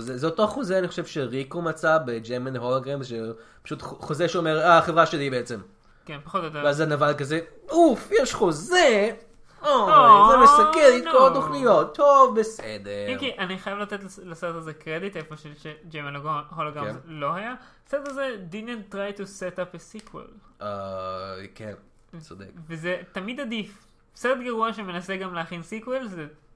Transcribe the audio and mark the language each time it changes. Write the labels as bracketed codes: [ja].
[he] זה אותו חוזה, אני חושב, שריקו מצא בג'מן הולוגרם, שפשוט חוזה שאומר, החברה שלי בעצם. כן, פחות או יותר. ואז הנבל כזה, אוף, יש חוזה! אוי, זה מסכן את כל התוכניות. טוב, בסדר. אם כי אני חייב לתת לסרט הזה קרדיט איפה שג'יימן הולוגרם לא היה. הסרט הזה [en] didn't try to set up a sequel. [he] כן, צודק. וזה תמיד עדיף. סרט גרוע שמנסה גם להכין סיקוויל זה...